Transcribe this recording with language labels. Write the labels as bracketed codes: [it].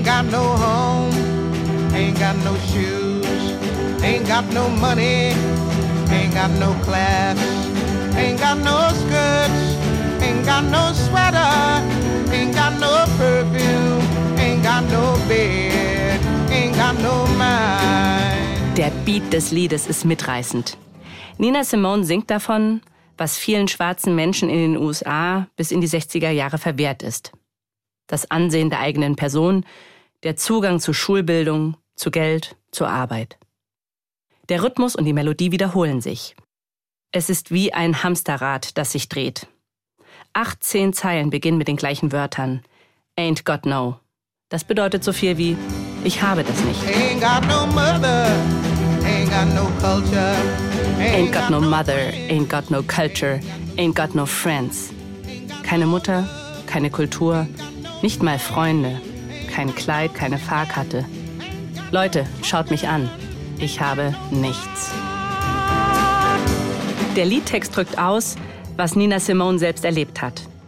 [en] No home, ain't got no shoes, ain't got no money, ain't got no class, ain't got no skirts, ain't got no sweater, ain't got no perfume, ain't got no bed, ain't got no mind. [de] Der Beat des Liedes ist mitreißend. Nina Simone singt davon, was vielen schwarzen Menschen in den USA bis in die 60er Jahre verwehrt ist. Das Ansehen der eigenen Person, der Zugang zu Schulbildung, zu Geld, zur Arbeit. Der Rhythmus und die Melodie wiederholen sich. Es ist wie ein Hamsterrad, das sich dreht. 18 Zeilen beginnen mit den gleichen Wörtern. [en] Ain't got no. [de] Das bedeutet so viel wie, ich habe das nicht. [en] Ain't got no mother, ain't got no culture. Ain't got no mother, ain't got no culture, ain't got no friends. [de] Keine Mutter, keine Kultur, nicht mal Freunde. Kein Kleid, keine Fahrkarte. Leute, schaut mich an. Ich habe nichts. Der Liedtext drückt aus, was Nina Simone selbst erlebt hat.